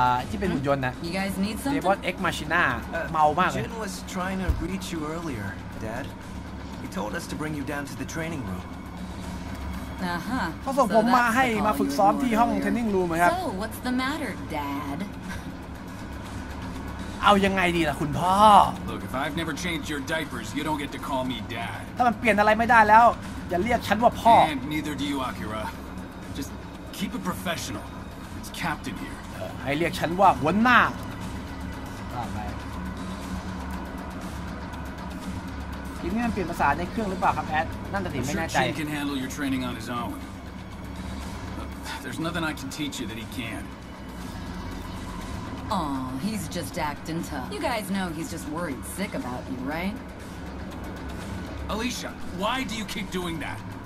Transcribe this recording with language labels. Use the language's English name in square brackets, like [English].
[Thai] ที่เป็นหุ่นยนต์นะ Devon Ex Machina เมามากเลย [English] Jin was trying to reach you earlier, Dad. He told us to bring you down to the training room. [Thai] เขาส่งผมมาให้มาฝึกซ้อมที่ห้องเทรนนิ่งรูมครับ [English] So what's the matter, Dad? [Thai] เอายังไงดีล่ะคุณพ่อ [English] Look, if I've never changed your diapers, you don't get to call me Dad. [Thai] ถ้ามันเปลี่ยนอะไรไม่ได้แล้วอย่าเรียกฉันว่าพ่อ [English] And neither do you, Akira. Just keep it professional. Captain here. [Thai] ให้เรียกฉันว่าหัวหน้าไปคิดว่ามันเปลี่ยนภาษาในเครื่องหรือเปล่าครับแอดนั่นแต่ดิไม่แน่ใจ [English] Chin can handle your training on his own. There's nothing I can teach you that he can. Oh, he's just acting tough. You guys know he's just worried sick about you, right? Alicia, why do you keep doing that?